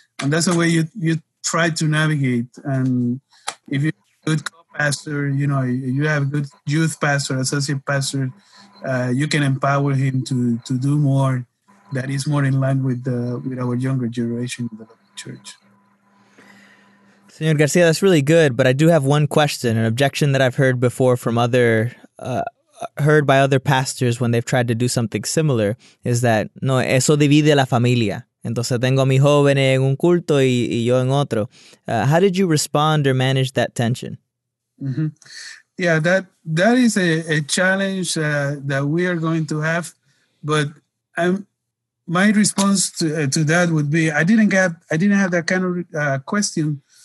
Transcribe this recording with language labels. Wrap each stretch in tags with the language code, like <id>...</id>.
<en>And that's the way you try to navigate. And if you have a good co-pastor, you know, you have a good youth pastor, associate pastor, you can empower him to do more that is more in line with our younger generation in the church. Señor Garcia, that's really good, but I do have one question, an objection that I've heard before from other, heard by other pastors when they've tried to do something similar, is that,</en> <es>no, eso divide la familia. Entonces tengo a mi joven en un culto y yo en otro.</es> <en>How did you respond or manage that tension? Mm-hmm. Yeah, that is a challenge that we are going to have. But my response to that would be, I didn't have that kind of question.</en>